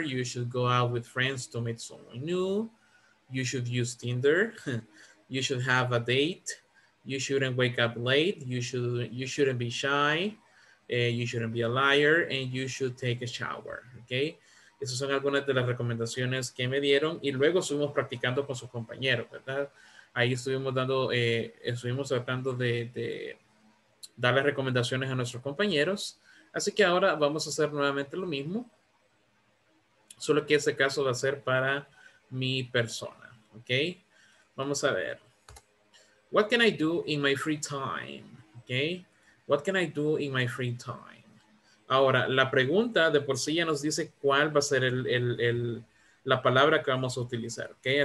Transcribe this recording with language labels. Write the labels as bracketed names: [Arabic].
[English] You should go out with friends to meet someone new. You should use Tinder. You should have a date. You shouldn't wake up late. You shouldn't be shy. You shouldn't be a liar, and you should take a shower, okay? [Spanish] Esas son algunas de las recomendaciones que me dieron, y luego estuvimos practicando con sus compañeros, ¿verdad? Ahí estuvimos dando, estuvimos tratando de darle recomendaciones a nuestros compañeros, así que ahora vamos a hacer nuevamente lo mismo, solo que este caso va a ser para mi persona, okay? Vamos a ver. [English] What can I do in my free time, okay? What can I do in my free time? [Spanish] Ahora, la pregunta de por sí ya nos dice cuál va a ser la palabra que vamos a utilizar, ¿ok?